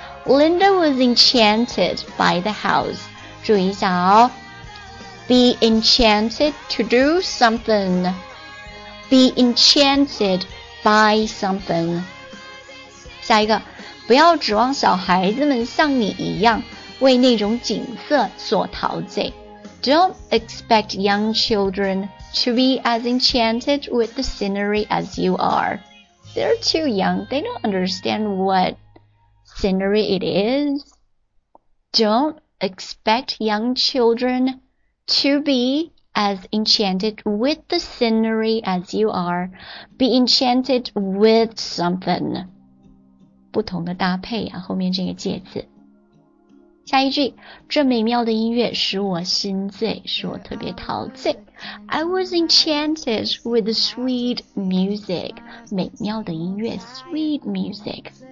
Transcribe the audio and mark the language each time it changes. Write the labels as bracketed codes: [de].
[en] Linda was enchanted by the house. [zh] 注意一下哦。 [en] Be enchanted to do something. Be enchanted by something. [zh] 下一个，不要指望小孩子们像你一样为那种景色所陶醉。 [en] Don't expect young children to be as enchanted with the scenery as you are. They're too young. They don't understand what scenery it is. Don't expect young children to be as enchanted with the scenery as you are. Be enchanted with something. [zh] 不同的搭配啊，后面这个介词。下一句，这美妙的音乐使我心醉，使我特别陶醉。 [en] I was enchanted with the sweet music. [zh] 美妙的音乐 , [en] sweet music.